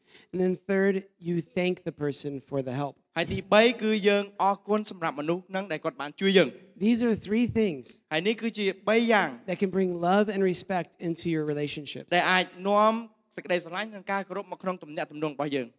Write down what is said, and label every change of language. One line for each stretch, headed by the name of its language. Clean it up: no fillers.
English: And then third, you thank the person for the help.
Khmer: ហើយទី3គឺយើងអរគុណសម្រាប់មនុស្សនឹងដែលគាត់បានជួយយើង
English: These are three things.
Khmer: ហើយនេះគឺជា3យ៉ាង
English: that can bring love and respect into your relationship.
Khmer: ដែលអាចនាំសេចក្តីស្រឡាញ់និងការគោរពមកក្នុងទំនាក់ទំនងរបស់យើង